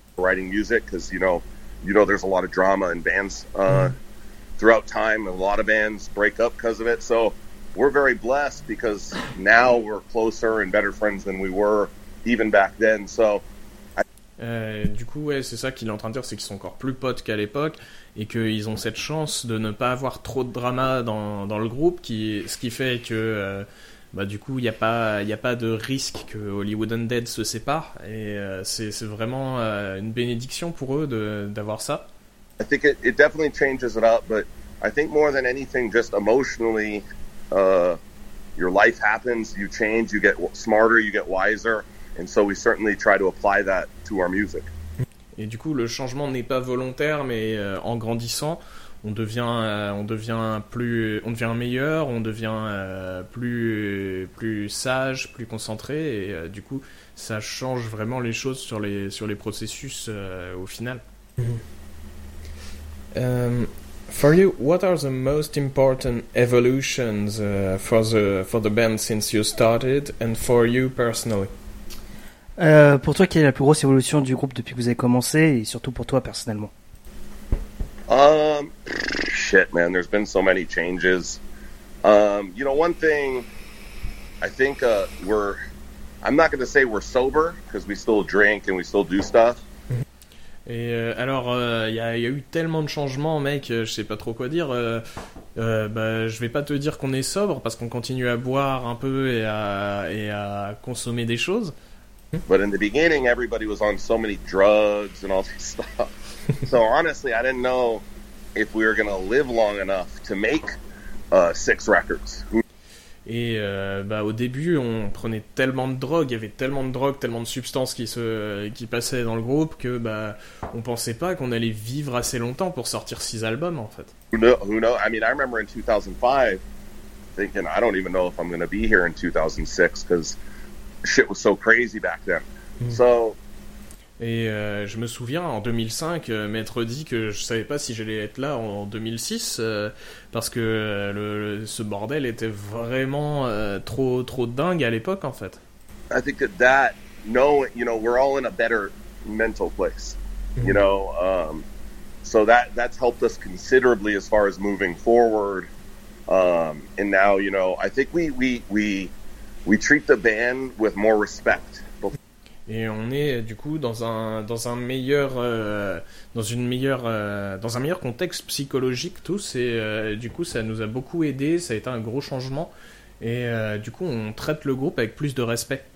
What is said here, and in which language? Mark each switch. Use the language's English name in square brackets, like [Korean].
[English] Writing music, because, you know, there's a lot of drama in bands throughout time. A lot of bands break up because of it. So we're very blessed because now we're closer and better friends than we were even back then. So [French] du coup, ouais, c'est ça qu'il est en train de dire, c'est qu'ils sont encore plus potes qu'à l'époque et qu'ils ont cette chance de ne pas avoir trop de drama dans le groupe, ce qui fait que du coup, il n'y a pas de risque que Hollywood Undead se sépare. Et c'est vraiment une bénédiction pour eux d'avoir ça. [English] I think it definitely changes it up, but I think more than anything, just emotionally, your life happens, you change, you get smarter, you get wiser. And so we certainly try to apply that to our music. [French] Et du coup, le changement n'est pas volontaire, mais en grandissant, on devient meilleur, plus sage, plus concentré, et du coup, ça change vraiment les choses sur les processus au final. Mm-hmm. [English] For you, what are the most important evolutions for the band since you started, and for you personally? [French] Pour toi, quelle est la plus grosse évolution du groupe depuis que vous avez commencé, et surtout pour toi personnellement? [English] Shit, man, there's been so many changes. You know, one thing, I think I'm not gonna say we're sober, because we still drink and we still do stuff. [French] Et alors, y a eu tellement de changements, mec, je sais pas trop quoi dire. Je vais pas te dire qu'on est sobre, parce qu'on continue à boire un peu et à consommer des choses. [English] But in the beginning, everybody was on so many drugs and all this stuff. So honestly, I didn't know if we were going to live long enough to make 6 records. [French] Et au début, on prenait tellement de drogue, il y avait tellement de drogue, tellement de substances qui passaient dans le groupe que on pensait pas qu'on allait vivre assez longtemps pour sortir 6 albums en fait. [English] Who knows? I mean, I remember in 2005 thinking I don't even know if I'm going to be here in 2006 because shit was so crazy back then. So [French] Et je me souviens, en 2005, m'être dit que je savais pas si j'allais être là en 2006, parce que ce bordel était vraiment trop dingue à l'époque, en fait. [English] I think that, we're all in a better mental place, you know. So that's helped us considerably as far as moving forward. And now, you know, I think we treat the band with more respect. [French] Et on est du coup dans un meilleur contexte psychologique tous, et du coup ça nous a beaucoup aidé, ça a été un gros changement, et du coup on traite le groupe avec plus de respect.